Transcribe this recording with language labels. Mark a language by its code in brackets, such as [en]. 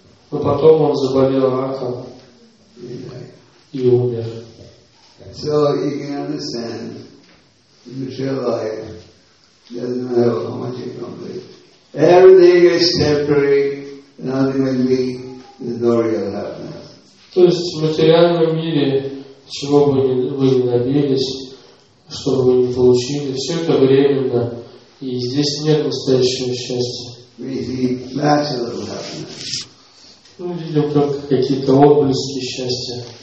[ru] Но потом он заболел раком и умер. [en] So you can understand in material life doesn't matter how much you complete. Everything is temporary and ultimately there's no real happiness. [ru] То есть в материальном мире чего бы вы ни добились, что бы вы ни получили, все это временно и здесь нет настоящего счастья. [en] We see flashes of happiness. [ru] Мы видим только какие-то отблески счастья.